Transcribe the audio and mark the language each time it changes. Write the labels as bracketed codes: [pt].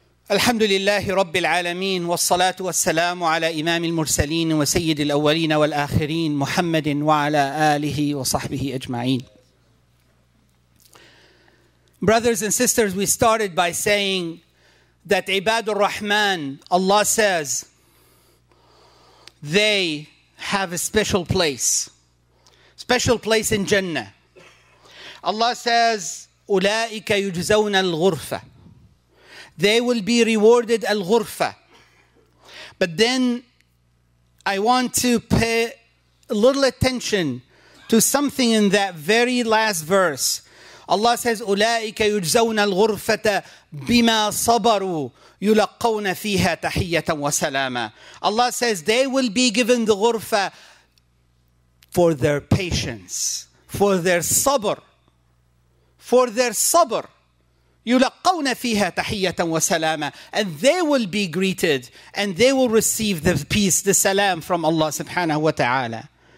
[ar] الحمد لله رب العالمين والصلاة والسلام على إمام المرسلين وسيد الأولين والآخرين محمد وعلى آله وصحبه أجمعين. [en] Brothers and sisters, we started by saying that Ibad al-Rahman, Allah says, they have a special place in Jannah. Allah says, [ar] أولئك يجزون الغرفة, [en] they will be rewarded al-ghurfa. But then I want to pay a little attention to something in that very last verse. Allah says, [ar] أُولَٰئِكَ يُجْزَوْنَ الْغُرْفَةَ بِمَا صَبَرُوا يُلَقَّوْنَ فِيهَا تَحِيَّةً وَسَلَامًا. [en] Allah says, they will be given the ghurfa for their patience, for their sabr, for their sabr. [ar] يُلَقَّوْنَ فِيهَا تَحِيَّةً وَسَلَامًا, [en] and they will be greeted and they will receive the peace, the salam from Allah subhanahu wa ta'ala.